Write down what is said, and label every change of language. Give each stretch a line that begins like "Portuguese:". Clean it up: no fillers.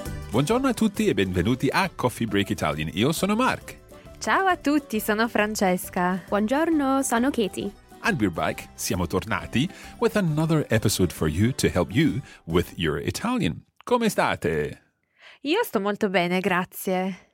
Italian: Buongiorno a tutti e benvenuti a Coffee Break Italian. Io sono Mark. Ciao a tutti, sono Francesca. Buongiorno, sono Katie.
English: And we're back,
Italian: siamo tornati,
English: with another episode for you to help you with your Italian.
Italian: Come state? Io sto molto bene, grazie.